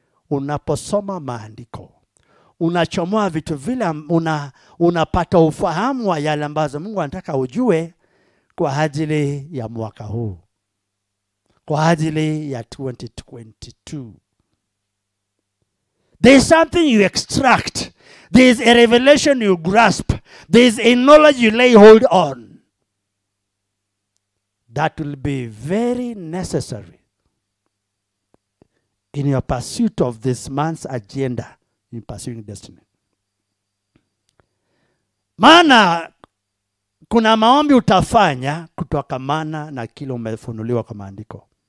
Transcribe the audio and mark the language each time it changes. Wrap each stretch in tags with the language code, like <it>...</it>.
<sw>Unaposoma maandiko, unachomoa vitu vile, unapata ufahamu wa yale ambazo Mungu anataka ujue kwa ajili ya mwaka huu, kwa ajili ya 2022.</sw> <en>There is something you extract. There is a revelation you grasp. There is a knowledge you lay hold on. That will be very necessary in your pursuit of this man's agenda. In pursuing destiny.</en> <sw>Mana, kuna maombi utafanya kutoka mana na kilo umefunuliwa kwa maandiko.</sw>